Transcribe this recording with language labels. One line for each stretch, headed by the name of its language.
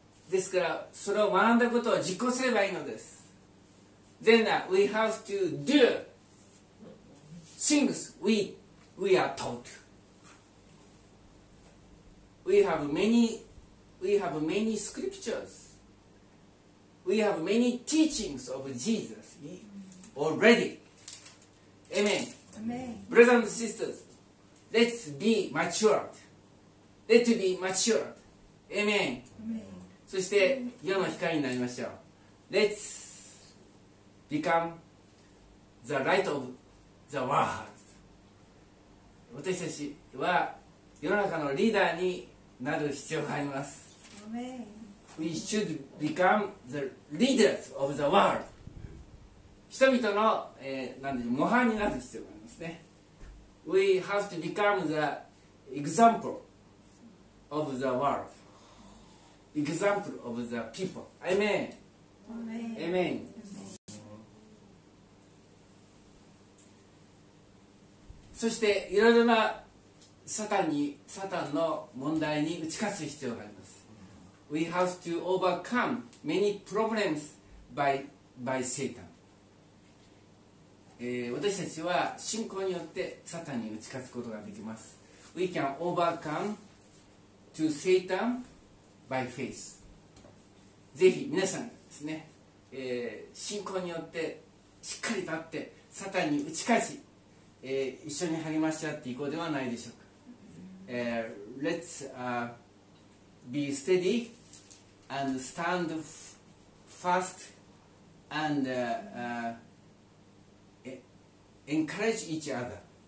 Japanese: ですから、それを学んだことを実行すればいいのです。
English: Then we have to do things we are taught. We have many scriptures. We have many teachings of Jesus already. Amen. Brothers and sisters, let's be matured. Let's be matured. Amen.
Japanese: そして世の光になりましょう。
English: Let's become the light of the world.
Japanese: 私たちは世の中のリーダーになる必要があります。
English: We should become the leaders of the world.
Japanese: 人々の、模範になる必要がありますね。
English: We have to become the example of the world. example of the people. Amen. Amen. Amen.
Japanese: そしていろいろなサタンの問題に打ち勝つ必要があります。
English: We have to overcome many problems by Satan.
Japanese: 私たちは信仰によってサタンに打ち勝つことができます。
English: We can overcome to Satan by faith.
Japanese: ぜひ皆さんですね、信仰によってしっかり立ってサタンに打ち勝ち、一緒に励まし合っていこうではないでしょうか。
English: Let's be steady and stand fast and encourage each other.